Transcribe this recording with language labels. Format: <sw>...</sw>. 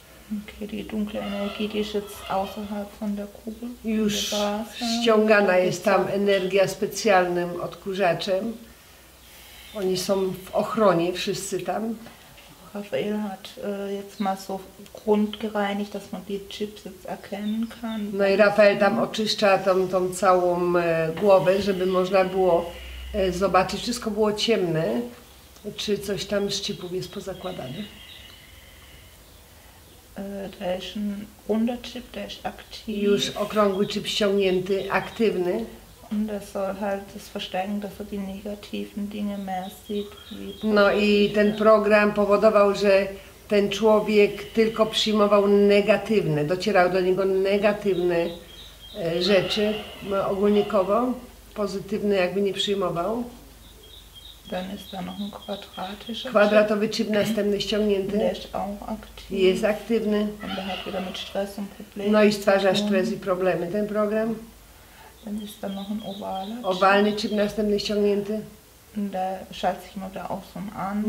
<de>Okay, die dunkle Energie, die ist jetzt außerhalb von der Kugel.</de> <pl>Już ściągana jest tam energia specjalnym odkurzaczem. Oni są w ochronie, wszyscy tam.</pl> <de>Rafael hat jetzt mal so grundgereinigt, dass man die Chips jetzt erkennen kann.</de> <pl>No i Rafael tam oczyszcza tą całą głowę, żeby można było zobaczyć, wszystko było ciemne, czy coś tam z chipów jest pozakładane.</pl> <de>Da ist ein runder Chip, der ist aktiv.</de> <pl>Już okrągły chip ściągnięty, aktywny.</pl> <de>Und das soll halt das verstärken, dass er die negativen Dinge mehr sieht.</de> <pl>No i ten program powodował, że ten człowiek tylko przyjmował negatywne, docierał do niego negatywne rzeczy, ogólnikowo, pozytywne jakby nie przyjmował.</pl> <de>Dann ist da noch ein quadratischer Chip.</de> <pl>Kwadratowy chip następny ściągnięty.</pl> <de>Der ist auch aktiv.</de> <pl>Jest aktywny.</pl> <de>Und der hat wieder mit Stress und Problemen.</de> <pl>No i stwarza stres i problemy ten program.</pl> <de>Dann ist da noch ein ovaler chip.</de> <pl>Owalny chip następny ściągnięty.</pl> <de>Und der schaltet sich immer auch so an.</de>